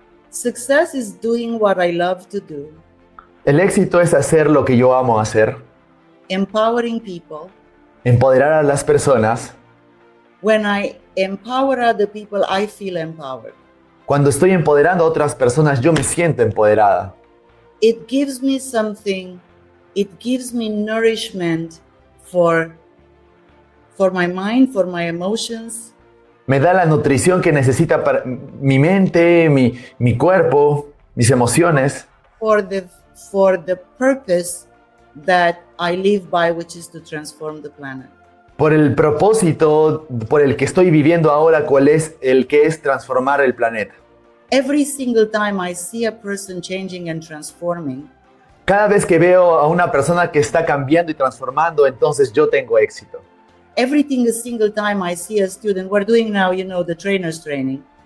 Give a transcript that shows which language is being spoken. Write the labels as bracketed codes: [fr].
[en] Success is doing what I love to do. [es] El éxito es hacer lo que yo amo hacer. [en] Empowering people. [es] Empoderar a las personas. [en] When I empower other people, I feel empowered. [es] Cuando estoy empoderando a otras personas, yo me siento empoderada. [en] It gives me something. It gives me nourishment for my mind, for my emotions. [es] Me da la nutrición que necesita para mi mente, mi cuerpo, mis emociones. [en] For the purpose that I live by, which is to transform the planet. [es] Por el propósito por el que estoy viviendo ahora, cuál es el que es transformar el planeta. [en] Every single time I see a person changing and transforming. [es] Cada vez que veo a una persona que está cambiando y transformando, entonces yo tengo éxito. [en] Everything a single time I see a student, we're doing now, you know, the trainer's training.